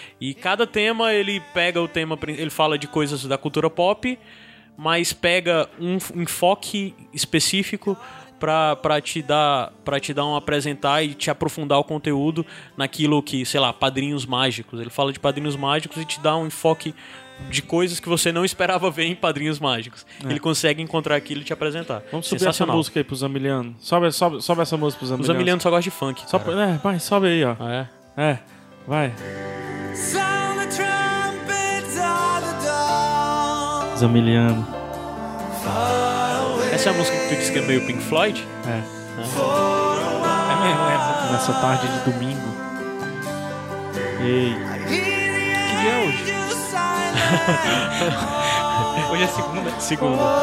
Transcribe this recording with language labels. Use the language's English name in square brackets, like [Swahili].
[Portuguese] E cada tema, ele pega o tema, ele fala de coisas da cultura pop, mas pega um enfoque específico pra te apresentar e te aprofundar o conteúdo naquilo que, sei lá, padrinhos mágicos. Ele fala de padrinhos mágicos e te dá um enfoque de coisas que você não esperava ver em Padrinhos Mágicos. É. Ele consegue encontrar aquilo e te apresentar. Vamos subir essa música aí pro Zamiliano. Sobe essa música pro Zamiliano. O Zamiliano só gosta de funk. Vai, sobe aí, ó. Ah, é? É, vai. [English] Sound the trumpets of the dawn. [Portuguese] Zamiliano. Essa é a música que tu disse que é meio Pink Floyd? É. É mesmo. Nessa tarde de domingo. Ei. Que dia é hoje? Hoje é segunda. Segunda.